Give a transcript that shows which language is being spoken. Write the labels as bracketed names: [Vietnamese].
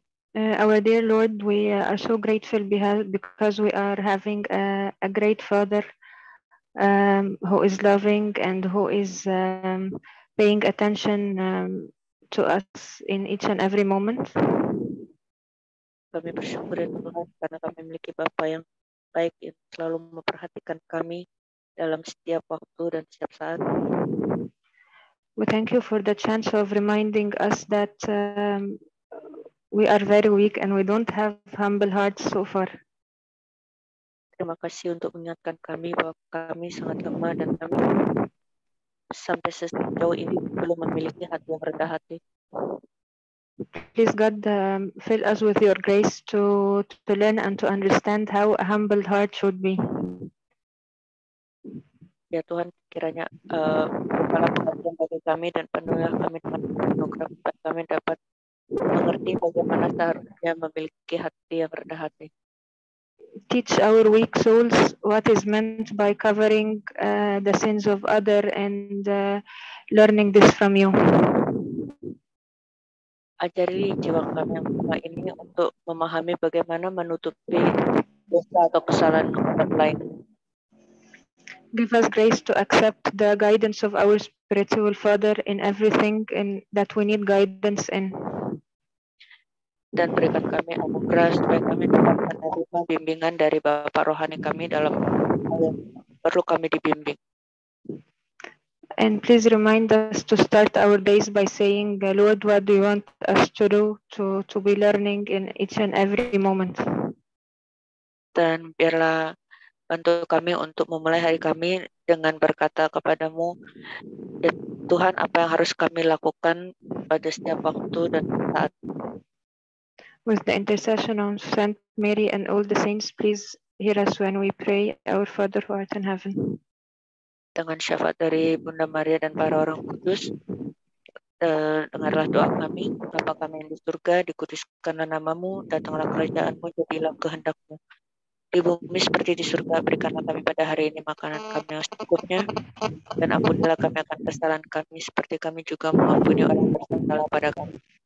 [English] Our dear Lord, we are so grateful because we are having a great Father who is loving and who is paying attention to us in each and every moment. [Indonesian] Kami bersyukur Tuhan karena kami memiliki Bapa yang baik yang selalu memperhatikan kami dalam setiap waktu dan setiap saat. [English] We thank you for the chance of reminding us that we are very weak and we don't have humble hearts so far. [Indonesian] Terima kasih untuk mengingatkan kami bahwa kami sangat lemah dan kami sampai sejauh ini belum memiliki hati yang rendah hati. [English] Please God, fill us with your grace to learn and to understand how a humble heart should be. [Indonesian] Ya Tuhan, kiranya berkalah pengertian bagi kami dan penuhilah kami dengan anugerah agar kami dapat mengerti bagaimana seharusnya memiliki hati yang rendah hati. [English] Teach our weak souls what is meant by covering the sins of other and learning this from you. [Indonesian] Ajari jiwa kami yang lemah ini untuk memahami bagaimana menutupi dosa atau kesalahan orang lain. [English] Give us grace to accept the guidance of our spiritual Father in everything and that we need guidance in. [Indonesian] Dan berikan kami anugerah supaya kami dapat menerima bimbingan dari Bapa Rohani kami dalam perlu kami dibimbing. [English] And please remind us to start our days by saying, Lord, what do you want us to do to be learning in each and every moment? [Indonesian] Dan biarlah bantu kami untuk memulai hari kami dengan berkata kepadamu, Tuhan, apa yang harus kami lakukan pada setiap waktu dan saat. [English] With the intercession of Saint Mary and all the saints, please hear us when we pray, Our Father who art in heaven. [Indonesian] Dengan syafaat dari Bunda Maria dan para orang kudus, dengarlah doa kami, Bapa kami yang di surga, dikuduskanlah namamu, datanglah kerajaanmu, jadilah kehendakmu. Di bumi seperti di surga, berikanlah kami pada hari ini makanan kami yang secukupnya, dan ampunilah kami akan kesalahan kami, seperti kami juga mengampuni orang yang bersalah pada kami.